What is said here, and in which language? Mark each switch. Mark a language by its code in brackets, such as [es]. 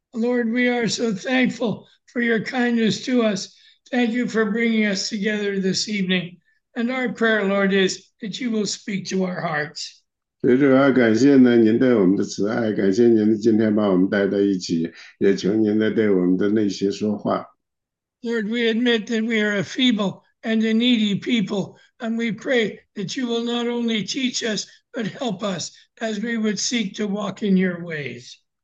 [en] Lord, we are so thankful for your kindness to us. Thank you for bringing us together this evening. And our prayer, Lord, is that you will speak to our hearts. [zh] 主啊，感谢呢您对我们的慈爱，感谢您今天把我们带到一起，也求您呢对我们的内心说话。 [en] Lord, we admit that we are a feeble and a needy people, and we pray that you will not only teach us, but help us as we would seek to walk in your ways.